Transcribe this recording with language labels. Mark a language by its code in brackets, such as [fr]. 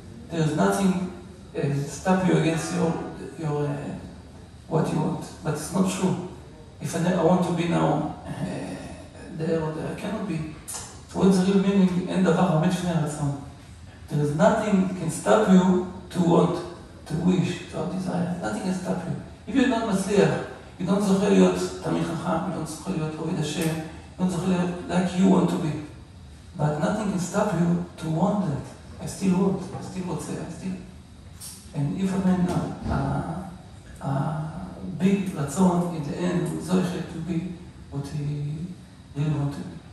[en] There is nothing stop you against your what you want. But it's not true. If I want to be now there or there, I cannot be. So what's the real meaning? [he] אין דבר עומד לפני הרצון. [en] There is nothing can stop you to want, to wish, to have desire. Nothing can stop you. If you're not מצליח, you don't [he] זוכר להיות תמי חכם, [en] you don't [he] זוכר להיות עובד השם, [en] you don't זוכר להיות like you want to be. But nothing can stop you to want that. I still want. I still want to say, I still. And if a man has a big ratzon in the end, zoichet to be what he really wanted.